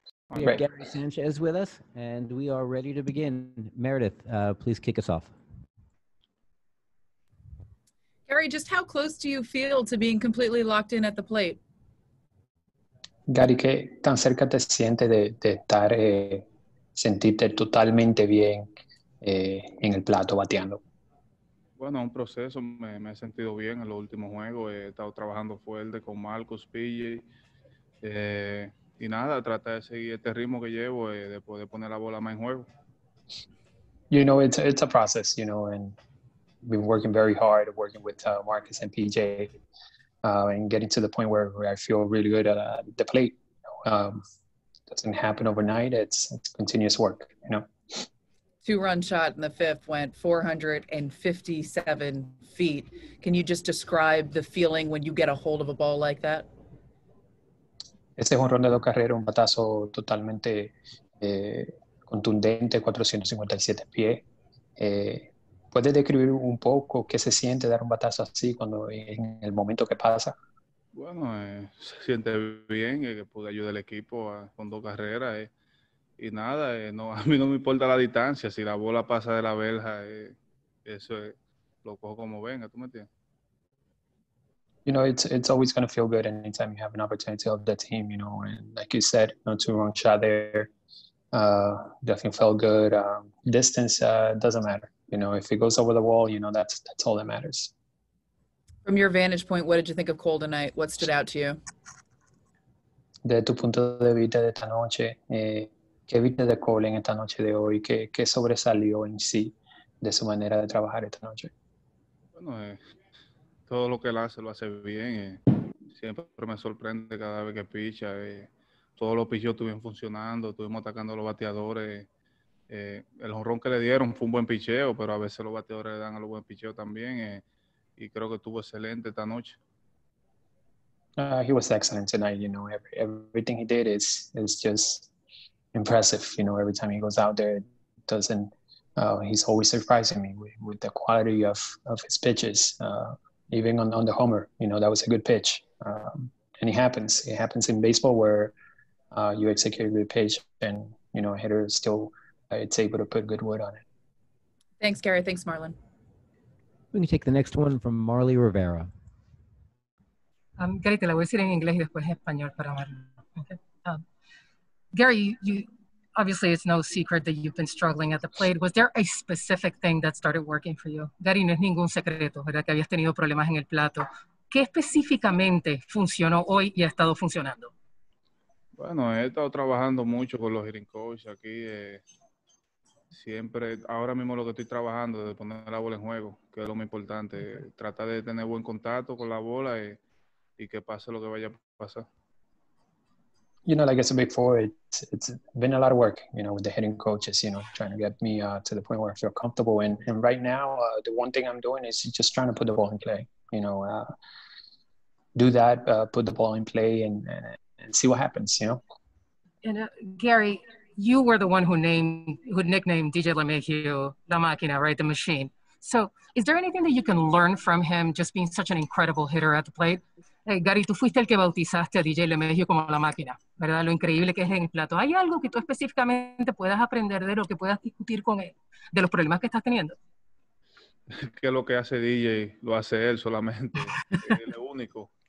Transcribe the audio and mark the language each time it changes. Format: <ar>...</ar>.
<en>We have Gary Sanchez with us, and we are ready to begin. Meredith, please kick us off. Gary, just how close do you feel to being completely locked in at the plate?</en> <es>Gary, ¿qué tan cerca te sientes de estar, sentirte totalmente bien en el plato, bateando? Bueno, un proceso. Me he sentido bien en los últimos juegos. He estado trabajando fuerte con Marcos, PJ. Y nada, trata de seguir este ritmo que llevo de poder poner la bola más en juego.</es> <en>You know, it's a process, you know, and we've been working very hard, working with Marcus and PJ, and getting to the point where I feel really good at the plate. Doesn't happen overnight. It's continuous work, you know. Two-run shot in the fifth went 457 feet. Can you just describe the feeling when you get a hold of a ball like that?</en> <es>Este es un ron de dos carreras, un batazo totalmente contundente, 457 pies. ¿Puedes describir un poco qué se siente dar un batazo así cuando en el momento que pasa? Bueno, se siente bien, que pude ayudar al equipo con dos carreras. Y nada, no, a mí no me importa la distancia. Si la bola pasa de la verja, eso es, lo cojo como venga, ¿tú me entiendes?</es> <en>You know, it's always going to feel good anytime you have an opportunity of the team, you know, and like you said, no two-run shot there, definitely felt good. Distance doesn't matter. You know, if it goes over the wall, you know, that's all that matters. From your vantage point, what did you think of Cole tonight? What stood out to you?</en> <es>De tu punto de vista de esta noche, ¿qué viste de Cole en esta noche de hoy? ¿Qué sobresalió en sí de su manera de trabajar esta noche? Bueno, todo lo que él hace, lo hace bien. Siempre me sorprende cada vez que picha. Todos los pichos estuvieron funcionando, estuvimos atacando a los bateadores. El jonrón que le dieron fue un buen picheo, pero a veces los bateadores le dan a los buen picheos también. Y creo que estuvo excelente esta noche.</es> <en>He was excellent tonight, you know. Everything he did is just impressive. You know, every time he goes out there, he's always surprising me with the quality of his pitches. Even on the homer, you know, that was a good pitch. And it happens. It happens in baseball where you execute a good pitch and, you know, a hitter is still, it's able to put good wood on it. Thanks, Gary. Thanks, Marlon. We can take the next one from Marley Rivera.</en> <es>Gary, te la voy a decir en inglés y después en español para Marlon.</es> <en>Gary, you obviously it's no secret that you've been struggling at the plate. Was there a specific thing that started working for you?</en> <es>Gary, no es ningún secreto, ¿verdad? Que habías tenido problemas en el plato. ¿Qué específicamente funcionó hoy y ha estado funcionando? Bueno, he estado trabajando mucho con los hitting coaches aquí. Siempre, ahora mismo lo que estoy trabajando es poner la bola en juego, que es lo más importante. Tratar de tener buen contacto con la bola y que pase lo que vaya a pasar.</es> <en>You know, like I said before, it's been a lot of work, you know, with the hitting coaches, you know, trying to get me to the point where I feel comfortable. And right now, the one thing I'm doing is just trying to put the ball in play, you know, do that, put the ball in play and see what happens, you know. And Gary, you were the one who nicknamed DJ LeMahieu, La Máquina, right, the machine. So is there anything that you can learn from him just being such an incredible hitter at the plate?</en> <es>Gary, tú fuiste el que bautizaste a DJ LeMahieu como la máquina, ¿verdad? Lo increíble que es en el plato. ¿Hay algo que tú específicamente puedas aprender de lo que puedas discutir con él, de los problemas que estás teniendo? Que lo que hace DJ lo hace él solamente. Él es único.</es>